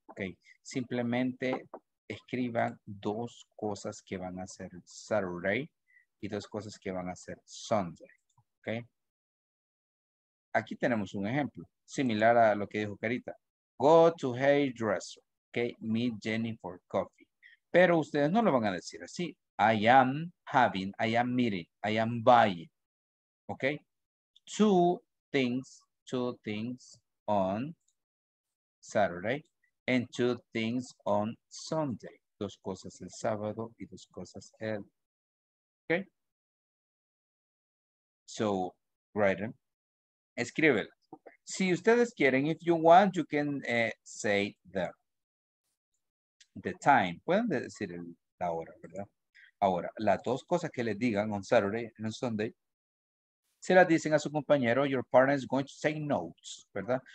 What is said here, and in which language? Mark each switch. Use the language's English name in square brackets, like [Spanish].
[Spanish] Okay, simplemente escriban dos cosas que van a hacer Saturday y dos cosas que van a hacer Sunday. Okay. aquí tenemos un ejemplo similar a lo que dijo Carita. [English] Go to hairdresser. Okay, meet Jenny for coffee. [Spanish] Pero ustedes no lo van a decir así. [English] I am having, I am meeting, I am buying. Okay? Two things on Saturday and two things on Sunday. [Spanish] Dos cosas el sábado y dos cosas el. [English] Okay? So, write them. [Spanish] Escríbelo. Si ustedes quieren, [English] if you want, you can say them. The time. [Spanish] Pueden decir la hora, ¿verdad? Ahora, las dos cosas que les digan [English] on Saturday and on Sunday, [Spanish] se las dicen a su compañero, [English] your partner is going to take notes, [Spanish] ¿verdad?